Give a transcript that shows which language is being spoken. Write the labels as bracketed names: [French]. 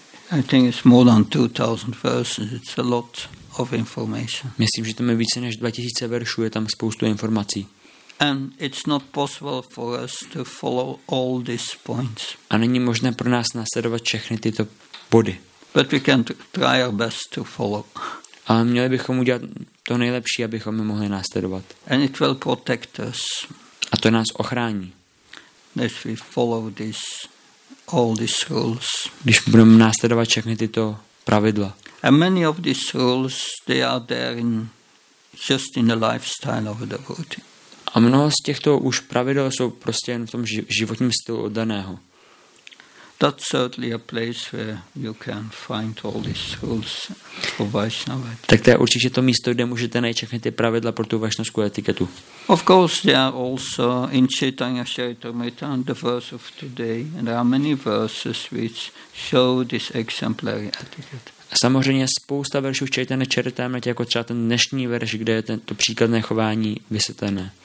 [English] I think it's more than 2,000 verses. It's a lot of information. [Czech] Myslím, že tam je více než 2000 veršů, je tam spoustu informací. [English] And it's not possible for us to follow all these points. [Czech] A není možné pro nás následovat všechny tyto body. [English] But we can try our best to follow. [Czech] Ale měli bychom udělat to nejlepší, abychom je mohli následovat. [English] And it will protect us. [Czech] A to nás ochrání. [English] If we follow this, all these rules. [Czech] Když budeme následovat všechny tyto pravidla. [English] And many of these rules, they are there in just in the lifestyle of a devotee. [Czech] A mnoho z těchto už pravidel jsou prostě jen v tom životním stylu oddaného. [English] That's certainly a place where you can find all these rules for Vaishnava. [Czech] Tak to je určitě to místo, kde můžete najít všechny ty pravidla pro tu vaishnavskou etiketu. [English] Of course, there are also in Chaitanya Charitamrita the verse of today, and there are many verses which show this exemplary etiquette. [Czech] Samozřejmě spousta veršů v Chaitanya Charitamrita, jako třeba ten dnešní verš, kde je to příkladné chování vysvětlené.